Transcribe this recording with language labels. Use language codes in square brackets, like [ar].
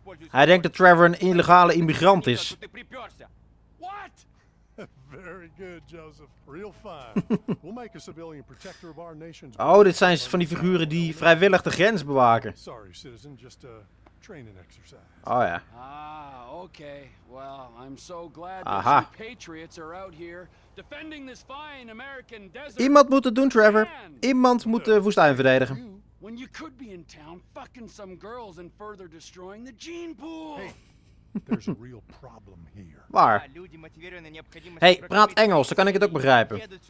[nl] Hij denkt dat Trevor een illegale immigrant is. [en] What? Very good, Joseph. Real fine. We'll make a civilian protector of our nation's. [nl] Oh, dit zijn van die figuren die vrijwillig de grens bewaken. [en] Sorry, citizen, just a training exercise. [nl] Oh ja. [en] Ah, okay. Well, I'm so glad the patriots are out here defending this fine American desert. [nl] Iemand moet het doen, Trevor. Iemand moet de woestijn verdedigen. [en] When you could be in town fucking some girls and further destroying the gene pool. Hey, there's a real problem here. [nl] Waar? Hey, praat Engels, dan kan ik het ook begrijpen.